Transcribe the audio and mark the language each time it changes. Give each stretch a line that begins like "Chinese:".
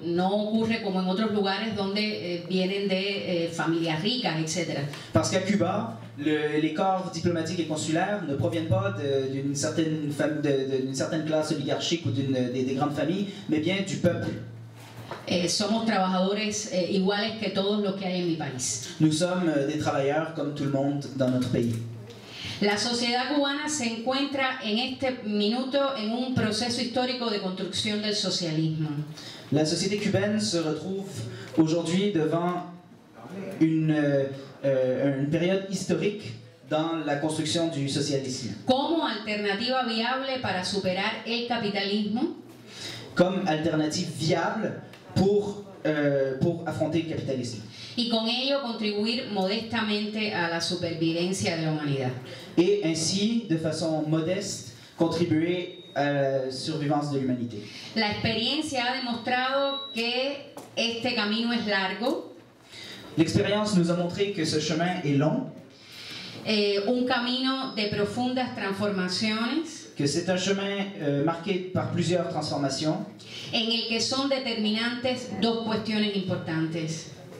Spanish: No ocurre como en otros lugares donde vienen de familias ricas, etc.
French: Parce qu'à Cuba, les corps diplomatiques et consulaires ne proviennent pas d'une certaine classe oligarchique ou des grandes familles, mais bien du peuple.
Spanish: Somos trabajadores iguales que todos los que hay en mi país.
French: Nous sommes des travailleurs comme tout le monde dans notre pays.
Spanish: La sociedad cubana se encuentra en este minuto en un proceso histórico de construcción del socialismo.
French: La société cubaine se retrouve aujourd'hui devant une période historique dans la construction du socialisme.
Spanish: Como alternativa viable para superar el capitalismo.
French: Comme alternative viable pour affronter le capitalisme.
Spanish: Y con ello contribuir modestamente a la supervivencia de la humanidad.
French: Et ainsi, de façon modeste, contribuer à la survivance de l'humanité.
Spanish: La experiencia ha demostrado que este camino es largo.
French: L'expérience nous a montré que ce chemin est long.
Spanish: Un camino de profundas transformaciones.
French: que c'est un chemin marqué par plusieurs transformations.
Spanish: En el que son determinantes dos cuestiones importantes.